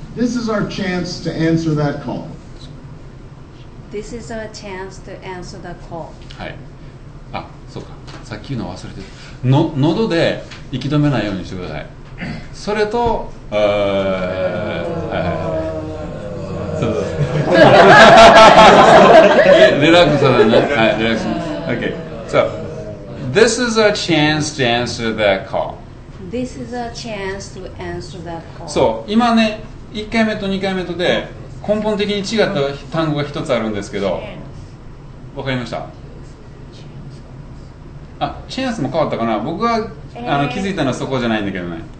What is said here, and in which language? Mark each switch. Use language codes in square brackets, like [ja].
[en] This is our chance to answer that call. This is our chance to answer that call. [ja] はい。あ、そうか。さっき言うの忘れてた。の、喉で息止めないようにしてください。それと、 [en] Relax, sir. Relax. Okay. So, this is a chance to answer that call. This is a chance to answer that call. [ja] そう、今ね、1回目と2回目とで根本的に違った単語が一つあるんですけど、わかりました。あ、チャンスも変わったかな。僕は、あの、気づいたのはそこじゃないんだけどね。